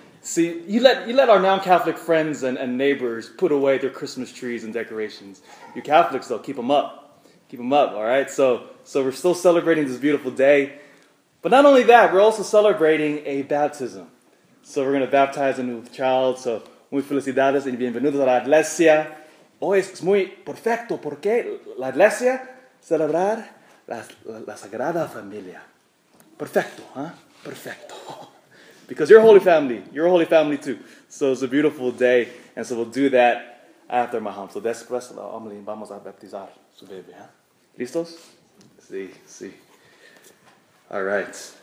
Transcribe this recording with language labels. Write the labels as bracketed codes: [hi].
[en] See, you let our non-Catholic friends and neighbors put away their Christmas trees and decorations. You Catholics, though, keep them up. Keep them up, all right? So we're still celebrating this beautiful day. But not only that, we're also celebrating a baptism. So we're going to baptize a new child. [es] So, muy felicidades y bienvenidos a la iglesia. Hoy es muy perfecto porque la iglesia celebrar la Sagrada Familia. Perfecto, huh? Perfecto. [en] Because you're a holy family too. So it's a beautiful day. And so we'll do that after my home. So [es] después la homilía, vamos a baptizar su bebé. ¿Eh? ¿Listos? Sí, sí. [en] All right.